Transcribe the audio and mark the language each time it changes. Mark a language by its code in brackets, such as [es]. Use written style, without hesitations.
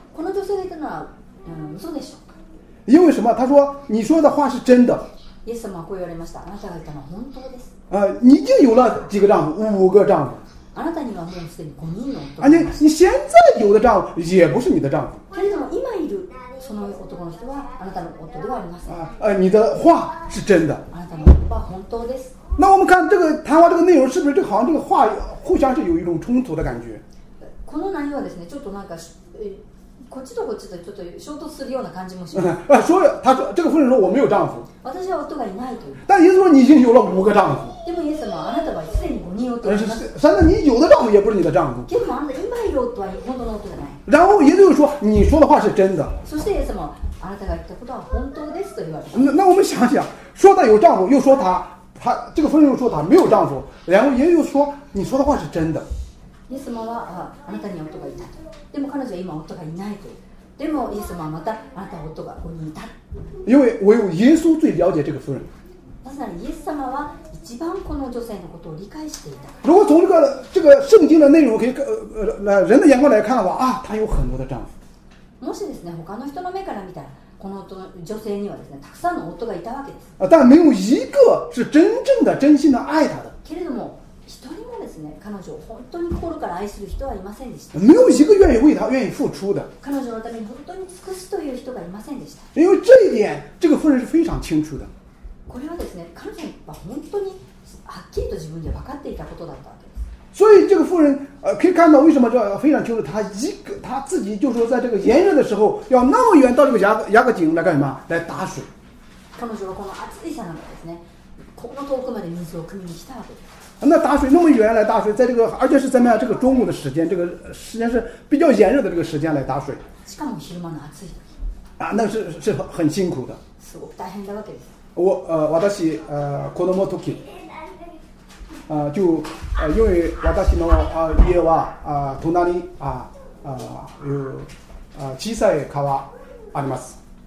[ja] この女性が言ったのは嘘でしょう。 [zh] 因为什么？她说你说的话是真的。 [ja] イエス様はこう言われました。あなたが言ったのは本当です。 [zh] 你已经有了几个丈夫？五个丈夫。 [ja] あなたにはもうすでに五人の夫。 [zh] 你现在有的丈夫也不是你的丈夫。 [ja] けれども今いるその男の人はあなたの夫ではありません。 [zh] 你的话是真的。 [ja] あなたの言葉は本当です。 [zh] 那我们看这个谈话这个内容，是不是这好像这个话互相是有一种冲突的感觉？ [ja] この内容はですね、ちょっとなんか。こっちとこっちとちょっと衝突するような感じもします。 [zh] 所以他说这个妇人说我没有丈夫。 [ja] 私は夫がいないと。 [zh] 但耶稣说你已经有了五个丈夫。 [ja] でもイエス様、あなたはすでに五人夫と。 [zh] 三个你有的丈夫也不是你的丈夫。 [ja] けどもあなた今いる夫は本当の夫じゃない。 [zh] 然后耶稣就说你说的话是真的。 [ja] そしてイエス様、あなたが言ったことは本当ですと言われる。 [zh] 那我们想想，说他有丈夫，又说他，他这个妇人又说他没有丈夫，然后耶稣说你说的话是真的。 [ja] イエス様は あなたには夫がいない。でも彼女は今夫がいないと。でもイエス様はまたあなたは夫が5人いた。 [zh] 因为唯有耶稣最了解这个妇人。 [ja] まさにイエス様は一番この女性のことを理解していた。 [zh] 如果从这个圣经的内容可以人的眼光来看的话啊，她有很多的丈夫。 [ja] もしですね、他の人の目から見たら、この女性にはですね、たくさんの夫がいたわけです。 [zh] 但没有一个是真正的、真心的爱她的。 [ja] けれども。一人もですね、彼女を本当に心から愛する人はいませんでした。 [zh] 没有一个愿意为他愿意付出的。 [ja] 彼女のために本当に尽くすという人がいませんでした。 [zh] 因为这一点，这个妇人是非常清楚的。 [ja] これはですね、彼女は本当にはっきりと自分で分かっていたことだったわけです。 [zh] 所以这个妇人可以看到为什么就非常清楚，他一个他自己就说在这个炎热的时候要那么远到这个雅各井来干什么，来打水。 [ja] 彼女はこの暑い日ならですね、この遠くまで水を汲みに来たわけです。 [zh] 那打水那么远来打水，在这个而且是在这个中午的时间，这个时间是比较炎热的这个时间来打水。 [ja] しかも昼間の暑い。 [zh] 啊，那是很辛苦的。 [ja] すごく大変だわけです。私子供の時、 [zh] 就因为 [ja] 私の家は隣に有小さい川あります。